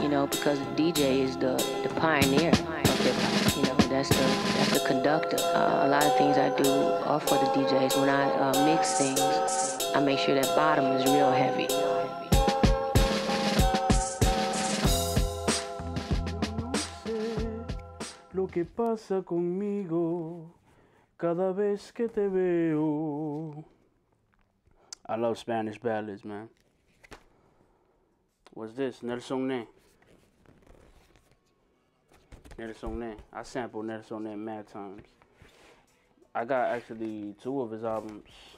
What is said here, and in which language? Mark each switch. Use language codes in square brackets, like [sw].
[en] Because the DJ is the pioneer of hip hop, you know, that's the conductor. A lot of things I do are for the DJs. When I mix things, I make sure that bottom is real heavy. [es] Yo no sé lo que pasa conmigo cada vez que te veo. [en] I love Spanish ballads, man. What's this? Nelson Ne. I sampled Nelson Ne mad times. I got actually two of his albums.